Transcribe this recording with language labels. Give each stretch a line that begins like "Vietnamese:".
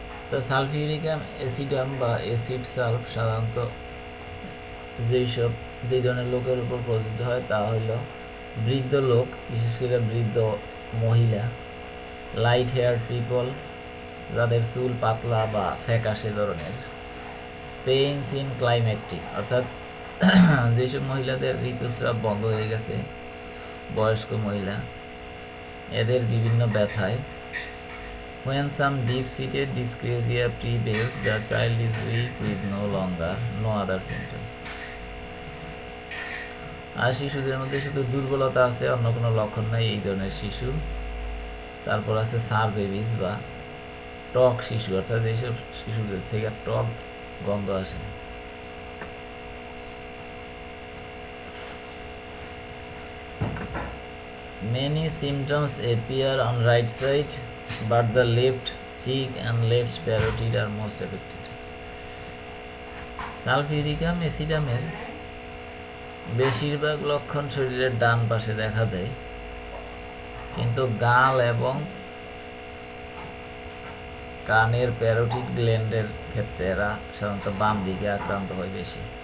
Bangla: তো সালফিউরিক অ্যাসিডাম বা acid sulph সাধারণত যেসব যেই ধরনের লোকের উপর প্রযোজ্য হয় তা হইল বৃদ্ধ লোক, বিশেষ করে বৃদ্ধ মহিলা,
English: light hair people
Bangla: যাদের চুল পাতলা বা ফ্যাকাশে ধরনের,
English: pains in climactic
Bangla: অর্থাৎ যেসব মহিলাদের ঋতুস্রাব বন্ধ হয়ে গেছে, বয়স্ক মহিলা, এদের বিভিন্ন ব্যথায়।
English: When some deep-seated dyscrasia prevails, the child is weak with no longer, no other symptoms.
Bangla: আর শিশুদের মধ্যে শুধু দুর্বলতা আছে, অন্য কোনো লক্ষণ নাই এই ধরনের শিশু। তারপর আছে সার বেবিস বা টক শিশু, অর্থাৎ এইসব শিশুদের থেকে টক গন্ধ আসে।
English: Many symptoms appear on right side, but the left cheek and left parotid are most affected.
Bangla: Sulphuric অ্যাসিডামের বেশিরভাগ লক্ষণ শরীরের ডান পাশে দেখা দেয়, কিন্তু গাল এবং কানের প্যারোটিড গ্ল্যান্ডের ক্ষেত্রে এরা সাধারণত বাম দিকে আক্রান্ত হয় বেশি।